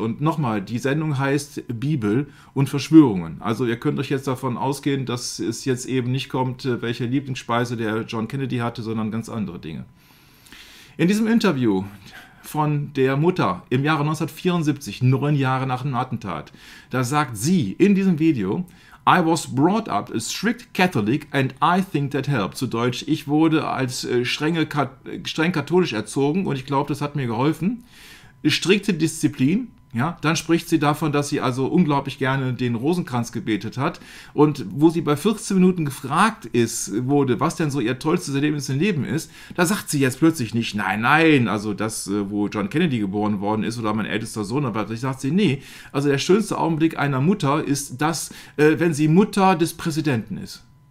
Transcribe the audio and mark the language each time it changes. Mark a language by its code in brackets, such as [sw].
[de] Und nochmal, die Sendung heißt Bibel und Verschwörungen. Also ihr könnt euch jetzt davon ausgehen, dass es jetzt eben nicht kommt, welche Lieblingsspeise der John Kennedy hatte, sondern ganz andere Dinge. In diesem Interview von der Mutter im Jahre 1974, 9 Jahre nach dem Attentat. Da sagt sie in diesem Video, [en] I was brought up a strict Catholic and I think that helped. [de] Zu Deutsch, ich wurde als streng katholisch erzogen und ich glaube, das hat mir geholfen. Strikte Disziplin. Ja, dann spricht sie davon, dass sie also unglaublich gerne den Rosenkranz gebetet hat. Und wo sie bei 14 Minuten gefragt wurde, was denn so ihr tollstes Erlebnis im Leben ist, da sagt sie jetzt plötzlich nicht, nein, nein, also das, wo John Kennedy geboren worden ist oder mein ältester Sohn, aber da sagt sie, nee, also der schönste Augenblick einer Mutter ist das, wenn sie Mutter des Präsidenten ist.